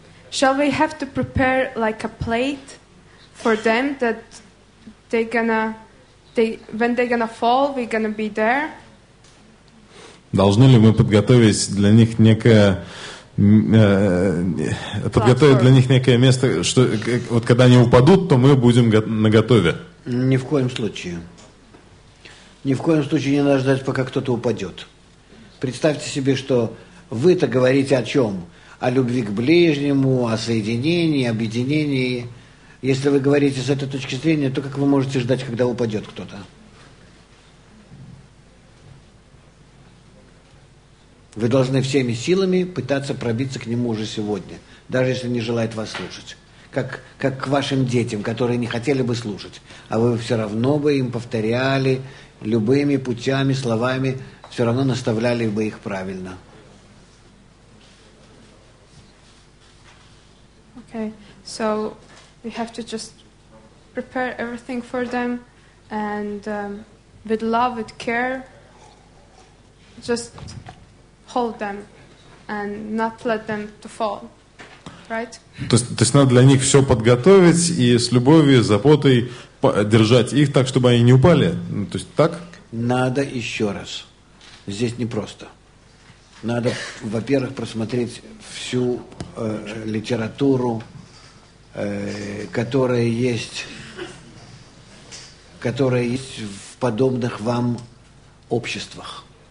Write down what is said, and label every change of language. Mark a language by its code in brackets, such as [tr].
[en] Shall we have to prepare like a plate for them that when they're gonna fall, we're gonna be there? [ru] Должны ли мы подготовить для них некое место, что вот когда они упадут, то мы будем наготове? Ни в коем случае. Ни в коем случае не надо ждать, пока кто-то упадет. Представьте себе, что вы-то говорите о чем? О любви к ближнему, о соединении, объединении. Если вы говорите с этой точки зрения, то как вы можете ждать, когда упадет кто-то? Вы должны всеми силами пытаться пробиться к нему уже сегодня, даже если не желает вас слушать. Как к вашим детям, которые не хотели бы слушать, а вы все равно бы им повторяли любыми путями, словами, все равно наставляли бы их правильно. [en] Okay, so we have to just prepare everything for them and with love, with care, just hold them and not let them to fall. Right? [ru] То есть надо для них все подготовить и с любовью, заботой держать их так, чтобы они не упали. Ну, то есть так? Надо еще раз. Здесь непросто. Надо, во-первых, просмотреть всю литературу, которая есть в подобных вам обществах.